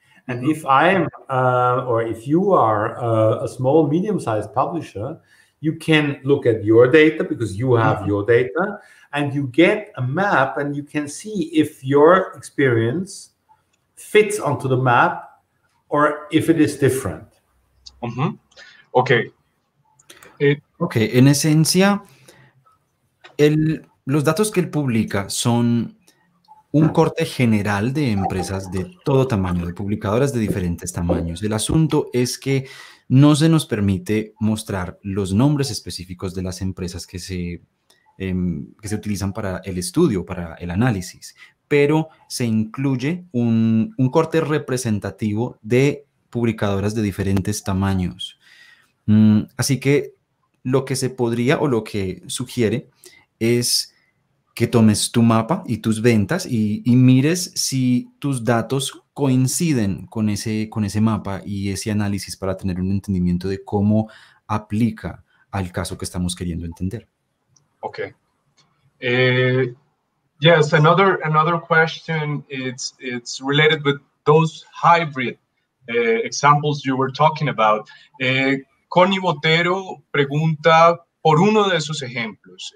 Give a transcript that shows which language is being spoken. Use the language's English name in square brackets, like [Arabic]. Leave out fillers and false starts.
[English] And mm-hmm. if I am, or if you are a small, medium-sized publisher, you can look at your data because you have mm-hmm. your data, and you get a map and you can see if your experience fits onto the map or if it is different. Mm-hmm. Okay. [Spanish] Okay, en esencia, los datos que él publica son un corte general de empresas de todo tamaño, de publicadoras de diferentes tamaños. El asunto es que no se nos permite mostrar los nombres específicos de las empresas que se utilizan para el estudio, para el análisis, pero se incluye un corte representativo de publicadoras de diferentes tamaños. Así que lo que se podría o lo que sugiere es que tomes tu mapa y tus ventas y mires si tus datos coinciden con ese mapa y ese análisis para tener un entendimiento de cómo aplica al caso que estamos queriendo entender. [English] Okay. Yes, another question, it's related with those hybrid examples you were talking about. [Spanish] Connie Botero pregunta por uno de esos ejemplos.